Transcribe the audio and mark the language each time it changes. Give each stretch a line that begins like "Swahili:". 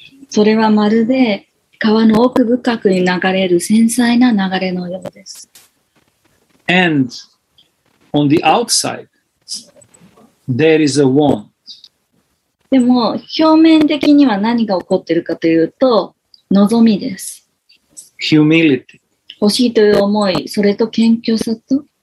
Japanese: それはまるで川の奥深くに流れる繊細な流れのようです。
English: And on the outside, there is a warmth.
Japanese: でも表面的には何が起こっているかというと望みです。
English: Humility.
Japanese: 欲しいという思い、それと謙虚さと